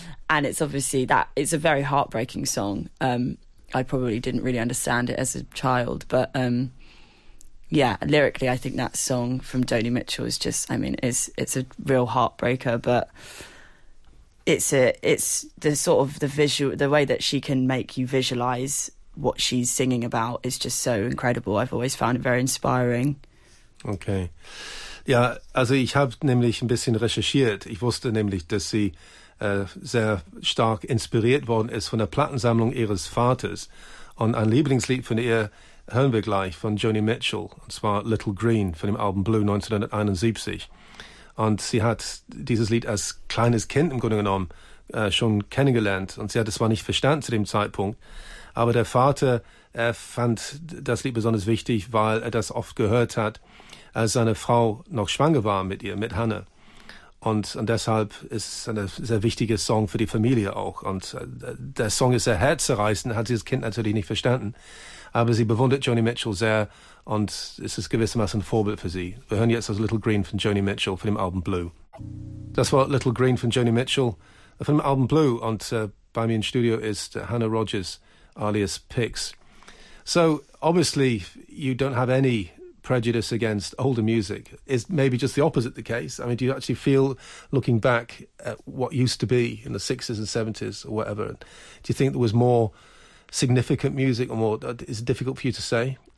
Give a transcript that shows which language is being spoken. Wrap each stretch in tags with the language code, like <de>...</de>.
<en>And it's obviously that, it's a very heartbreaking song. I probably didn't really understand it as a child, but lyrically I think that song from Joni Mitchell is just, I mean, it's a real heartbreaker, but... It's the sort of the way that she can make you visualize what she's singing about is just so incredible. I've always found it very inspiring. Okay.</en> <de>Ja, also ich habe nämlich ein bisschen recherchiert. Ich wusste nämlich, dass sie sehr stark inspiriert worden ist von der Plattensammlung ihres Vaters. Und ein Lieblingslied von ihr hören wir gleich, von Joni Mitchell, und zwar Little Green von dem Album Blue 1971. Und sie hat dieses Lied als kleines Kind im Grunde genommen schon kennengelernt. Und sie hat es zwar nicht verstanden zu dem Zeitpunkt, aber der Vater fand das Lied besonders wichtig, weil er das oft gehört hat, als seine Frau noch schwanger war mit ihr, mit Hannah. Und deshalb ist es ein sehr wichtiger Song für die Familie auch. Und der Song ist sehr herzzerreißend, hat sie das Kind natürlich nicht verstanden. Aber sie bewundert Joni Mitchell sehr und es ist gewissermaßen ein Vorbild für sie. Wir hören jetzt das Little Green von Joni Mitchell von dem Album Blue. Das war Little Green von Joni Mitchell von dem Album Blue. Und bei mir im Studio ist Hannah Rogers, alias Pix.</de> <en>So, obviously, you don't have any prejudice against older music. Is maybe just the opposite the case? I mean, do you actually feel, looking back at what used to be in the 60s and 70s or whatever, do you think there was more significant music, or more, is it difficult for you to say?</en>